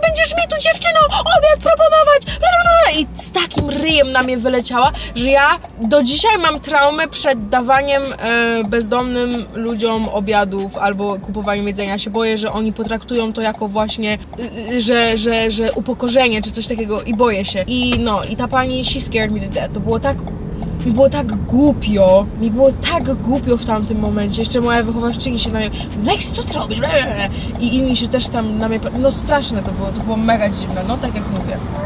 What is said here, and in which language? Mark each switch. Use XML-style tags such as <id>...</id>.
<pl>Będziesz mi tu, dziewczyno, obiad proponować? I z takim ryjem na mnie wyleciała, że ja do dzisiaj mam traumę przed dawaniem bezdomnym ludziom obiadów albo kupowaniem jedzenia. Się boję, że oni potraktują to jako właśnie, że upokorzenie czy coś takiego i boję się. I no, i ta pani,</pl> <en>she scared me to death.</en> <pl>To było tak, mi było tak głupio. Mi było tak głupio w tamtym momencie. Jeszcze moja wychowawczyni się na mnie: Lexi, co ty robisz? I inni się też tam na mnie, no straszne to było. To było mega dziwne, no tak jak mówię.</pl>